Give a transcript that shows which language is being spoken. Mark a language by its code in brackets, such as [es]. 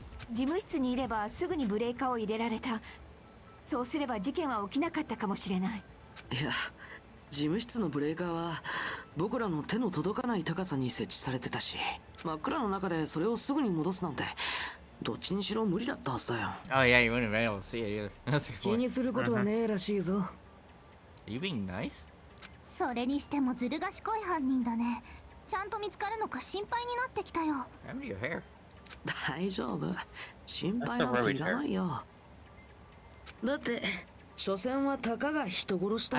[ja] 事務室にいればすぐにブレーカーを入れられた。そうすれば事件は起きなかったかもしれない。いや、事務室のブレーカーは僕らの手の届かない高さに設置されてたし、真っ暗の中でそれをすぐに戻すなんてどっちにしろ無理だったはずだよ。 [en] Oh yeah, you wouldn't be able to see it either. [ja] 気にすることはねえらしいぞ。 [en] Are you being nice? [ja] それにしてもずる賢い犯人だね。ちゃんと見つかるのか心配になってきたよ。 [en] How do your hair? [ja] 大丈夫。心配なんていらないよ。だって、所詮はたかが人殺しだ。